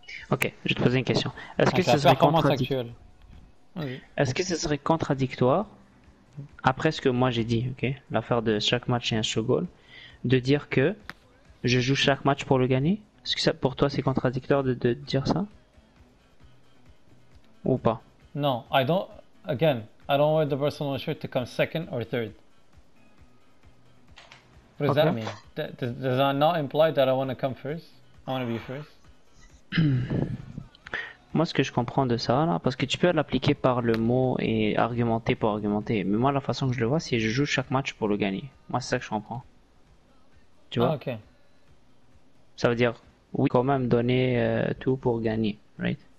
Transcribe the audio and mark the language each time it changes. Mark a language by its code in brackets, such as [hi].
[fr] Ok, je vais te poser une question. Est-ce que c'est la performance actuelle? Oui. Est-ce que ce serait contradictoire, après ce que moi j'ai dit, okay, l'affaire de chaque match est un show goal, de dire que je joue chaque match pour le gagner? Est-ce que ça, pour toi c'est contradictoire de dire ça? Ou pas? Non, [en] I don't wear the personal shirt to come second or third. What does okay. that mean? Does that not imply that I want to come first? I want to be first? [fr] Moi, ce que je comprends de ça, là, parce que tu peux l'appliquer par le mot et argumenter pour argumenter, mais moi, la façon que je le vois, c'est que je joue chaque match pour le gagner. Moi, c'est ça que je comprends. Tu vois? Ah, ok. Ça veut dire, oui, quand même, donner tout pour gagner, right?